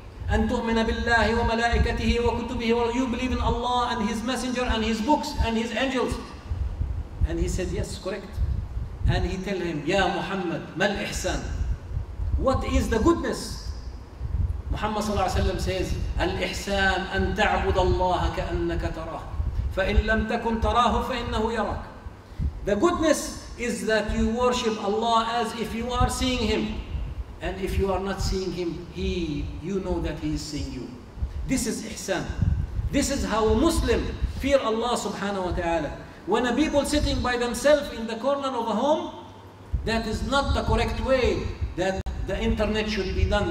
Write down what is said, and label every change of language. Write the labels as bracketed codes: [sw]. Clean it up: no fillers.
[ar] أن تؤمن بالله وملائكته وكتبه. [en] You believe in Allah and His Messenger and His books and His angels. And he said, yes, correct. And he tell him, Ya Muhammad, [ar] ما الإحسان? [en] What is the goodness? [ar] Muhammad صلى الله عليه وسلم says, الإحسان أن تعبد الله كأنك تراه فإن لم تكن تراه فإنه يراك. [en] The goodness is that you worship Allah as if you are seeing Him. And if you are not seeing him, you know that he is seeing you. This is ihsan. This is how a Muslim fear Allah subhanahu wa ta'ala. When a people sitting by themselves in the corner of a home, that is not the correct way that the internet should be done.